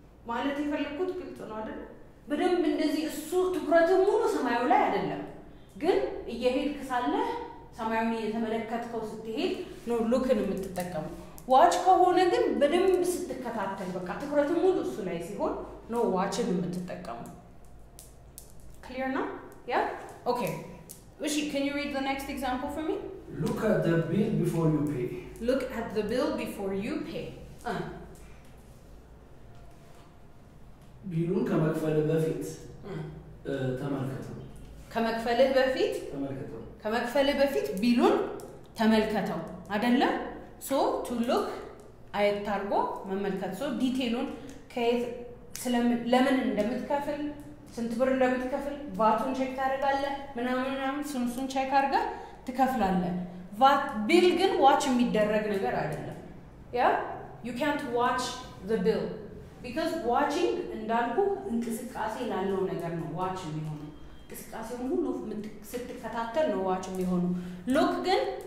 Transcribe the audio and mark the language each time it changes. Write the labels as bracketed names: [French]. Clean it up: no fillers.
[Amharic] ማለት ይፈልኩት ግልጽ ነው አይደል በደንብ እንደዚህ እሱ ትኩረቱ ሙሉ ሰማዩ ላይ አይደለም ግን እየሄድክ ሳለህ ሰማዩን እየተመለከትከው ስትሄድ ነው ሉክን የምትጠቀመው ዋች ከሆነ ግን በደንብ ስትከታተል በቃ ትኩረቱ ሙሉ እሱ ላይ ሲሆን ነው ዋችን የምትጠቀመው [English] clear now yeah okay Ushi, can you read the next example for me? Look at the bill before you pay. Look at the bill before you pay. [Amharic] ቢሉን ከመክፈልህ በፊት ተመልከተው. ከመክፈልህ በፊት ተመልከተው. ከመክፈልህ በፊት ቢሉን ተመልከተው. አይደለ? So to look አይታርጎ መመልከት. So ዲቴሉን ከየት ለምን እንደምትከፍል ስንት ብር እንደምትከፍል ቫቱን ቼክ ታደርጋለህ ምናምን ስንሱን ቼክ አድርገህ ትከፍላለህ ቫት ቢል ግን ዋች የሚደረግ ነገር አይደለም ያ [English] ዩ ካንት ዋች ዘ ቢል [Amharic] ቢካዝ ዋቺንግ እንዳልኩ እንቅስቃሴ ላለው ነገር ነው ዋች የሚሆነው እንቅስቃሴውን ሁሉ ስትከታተል ነው ዋች የሚሆነው ሉክ ግን